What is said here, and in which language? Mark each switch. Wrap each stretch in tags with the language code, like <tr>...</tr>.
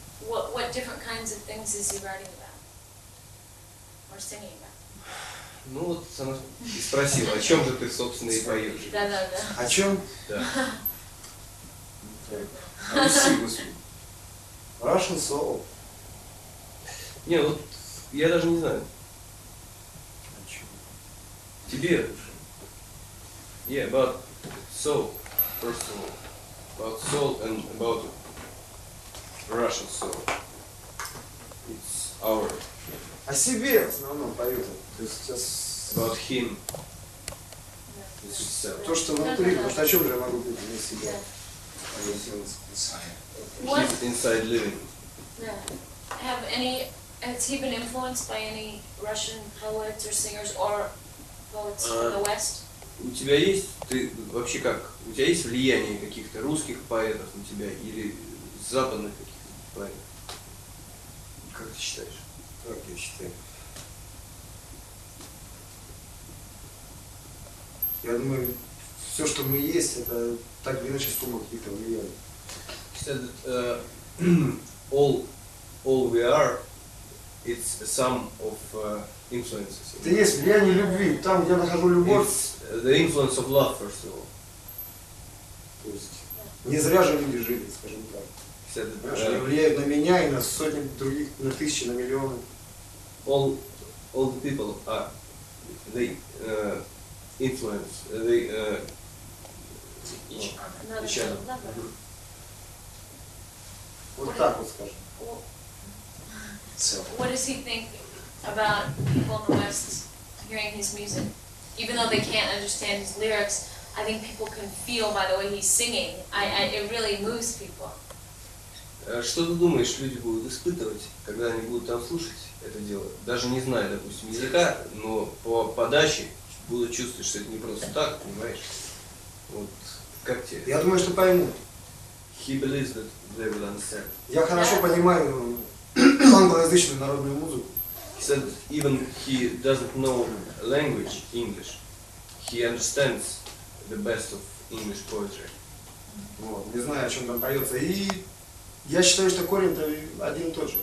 <en>What different kinds of things is he writing about? Or singing about?</en> <ru>Ну вот сама и спросила, о чем же ты, собственно, и поешь? Да. О чем? Да. Русский.</ru> <en>Russian soul.</en> <ru>Не, вот я даже не знаю. О чем? Тебе.</ru> <en>Yeah, about soul, first of all. About soul and about Russian soul. It's our.</en> <ru>О себе в основном поют. То есть сейчас.</ru> <en>About him.</en> <ru>То, что внутри, потому что о чем же я могу быть не себя. А если он</ru> <en>inside. Inside living. Yeah. Has he been influenced by any Russian poets or singers or poets from the West?</en> <ru>У тебя есть? Ты вообще как? У тебя есть влияние каких-то русских поэтов на тебя или западных каких-то? Правильно. Как ты считаешь? Как я считаю? Я думаю, все, что мы есть, это так или иначе сумма какие-то влияния.</ru> <en>He said that all we are, it's a sum of influences.</en> <ru>Это есть влияние любви. Там, где я нахожу любовь.</ru> <en>It's the influence of love, first of all.</en> <ru>То есть, не зря же люди жили, скажем так. Знаешь, они влияют на меня и на сотни других, на тысячи, на миллионы.</ru> <en>All the people are, they influence, they each other.</en> <ru>Вот так вот скажем.</ru> <en>So. What does he think about people in the West hearing his music? Even though they can't understand his lyrics, I think people can feel by the way he's singing. It really moves people.</en> <ru>Что ты думаешь, люди будут испытывать, когда они будут там слушать это дело? Даже не зная, допустим, языка, но по подаче будут чувствовать, что это не просто так, понимаешь? Вот как тебе? Я думаю, что поймут.</ru> <en>He believes that they will understand.</en> <ru>Я хорошо понимаю англоязычную народную музыку.</ru> <en>He said that even he doesn't know language, English, he understands the best of English poetry.</en> <ru>Вот, не знаю, о чем там поется. И... Я считаю, что корень-то один и тот же.</ru>